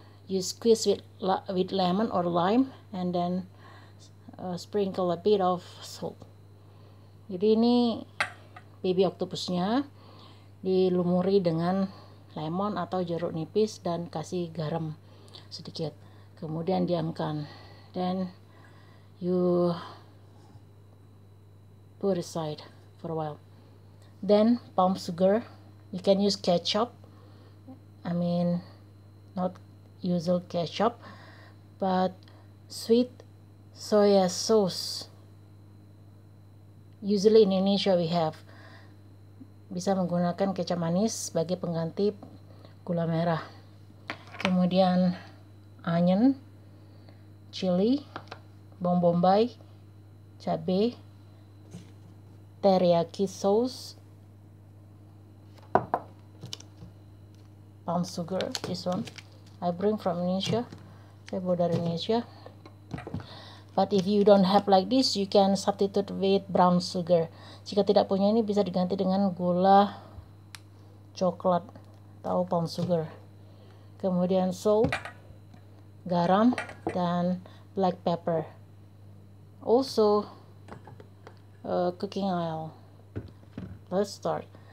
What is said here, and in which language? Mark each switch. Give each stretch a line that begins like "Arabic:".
English: You squeeze with lemon or lime, and then sprinkle a bit of salt.
Indonesian: Jadi ini baby octopusnya dilumuri dengan lemon atau jeruk nipis dan kasih garam sedikit. Kemudian diamkan.
English: Then you put aside for a while. Then palm sugar. You can use ketchup. I mean, not usual ketchup, but sweet soy sauce. Usually in Indonesia we have.
Indonesian: Bisa menggunakan kecap manis sebagai pengganti gula merah.
English: Kemudian onion, chili,
Indonesian: bawang bombay, cabe,
English: teriyaki sauce, palm sugar, this one I bring from Indonesia.
Indonesian: Saya bawa dari Indonesia.
English: But if you don't have like this, you can substitute with brown sugar.
Indonesian: Jika tidak punya ini, bisa diganti dengan gula coklat atau palm sugar. Kemudian salt, garam, dan black pepper.
English: Also, cooking oil. Let's start.